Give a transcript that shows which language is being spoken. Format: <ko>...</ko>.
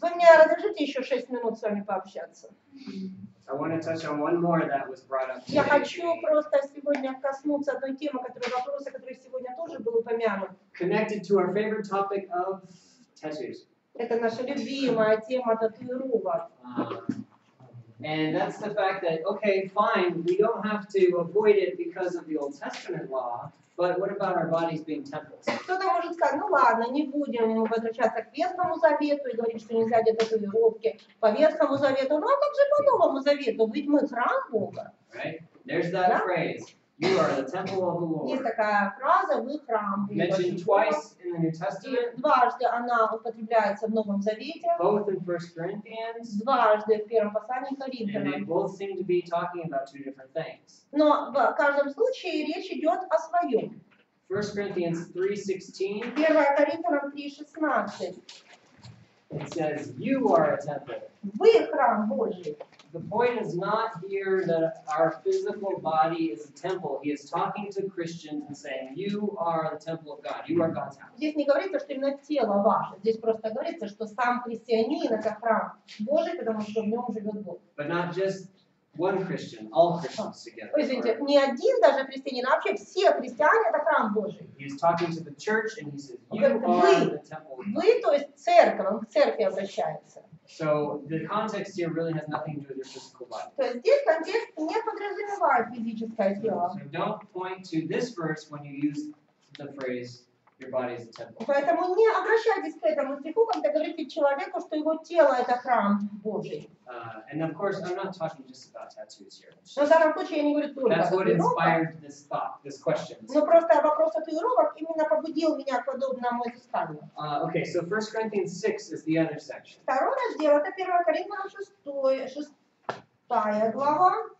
<ru>Вы мне разрешите еще 6 минут с вами пообщаться?</ru> <en>I want to touch on one more that was brought up today.</en> <ru>Я хочу просто сегодня коснуться одной темы, которая вопроса, который сегодня тоже был упомянут.</ru> <en>Connected to our favorite topic of tattoos.</en> <ru>Это наша любимая тема татуировок.</ru> <en>And that's the fact that okay, fine, we don't have to avoid it because of the Old Testament law. But what about our bodies being temples?</en> <ru>Кто-то может сказать, ну ладно, не будем возвращаться к Ветхому Завету и говорить, что нельзя делать татуировки по Ветхому Завету. Ну а как же по Новому Завету? Ведь мы храм Бога.</ru> <en>Right? There's that phrase. You are the temple of the Lord.</en> <ru>Есть такая фраза, вы храм Бога.</ru> <en>Mentioned twice in the New Testament.</en> <ru>И дважды она употребляется в Новом Завете.</ru> <en>Both in 1 Corinthians.</en> <ru>Дважды в первом послании к Коринфянам.</ru> <en>And they both seem to be talking about two different things.</en> <ru>Но в каждом случае речь идет о своем.</ru> <en>1 Corinthians 3:16.</en> <ru>1 Коринфянам 3:16.</ru> <en>It says, you are a temple.</en> <ru>Вы храм Божий.</ru> <en>The point is not here that our physical body is a temple. He is talking to Christians and saying, you are the temple of God. You are God's house.</en> <ru>Здесь не говорится, что именно тело ваше. Здесь просто говорится, что сам христианин это храм Божий, потому что в нем живет Бог.</ru> <en>But not just one Christian, all Christians together.</en> <ru>Извините, не один даже христианин, а вообще все христиане это храм Божий.</ru> <en>He is talking to the church and he says, you are the temple of God.</en> <ru>Вы, то есть церковь, он к церкви обращается.</ru> <en>So the context here really has nothing to do with your physical body.</en> <ru>То есть здесь контекст не подразумевает физическое тело.</ru> <en>So don't point to this verse when you use the phrase your body is a temple.</en> <ru>Поэтому не обращайтесь к этому стиху, когда говорите человеку, что его тело это храм Божий.</ru> <en>And of course, I'm not talking just about tattoos here.</en> <ru>Но в данном случае я не говорю только.</ru> <en>That's what inspired this thought, this question.</en> <ru>Но просто вопрос о татуировках именно побудил меня к подобному исследованию.</ru> <en>Okay, so 1 Corinthians 6 is the other section.</en> <ru>Второй раздел это 1 Коринфянам 6 глава.</ru>